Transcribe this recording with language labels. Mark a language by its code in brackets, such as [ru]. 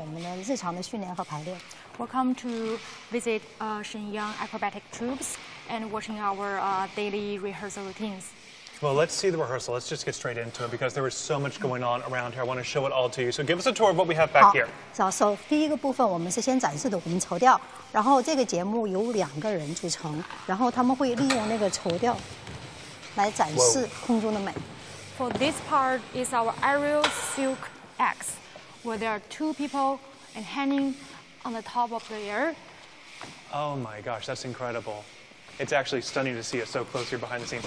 [zh] 能帮我们简单介绍一下这个沈阳杂技团，然后这边的特点都有哪些？首先非常欢迎大家能来到中国沈阳杂技团来参观我们的日常的训练和排练。 [en] Welcome to visit Shenyang Acrobatic Troops and watching our daily rehearsal routines. Well, let's see the rehearsal. Let's just get straight into it because there is so much going on around here. I want to show it all to you. So give us a tour of what we have back here. [zh] 好，so 第一个部分我们是先展示的我们绸吊，然后这个节目由两个人组成，然后他们会利用那个绸吊来展示空中的美。 [en] For this part is our aerial silk axe, where there are two people and hanging on the top of the air. Oh my gosh, that's incredible. It's actually stunning to see it so close here behind the scenes.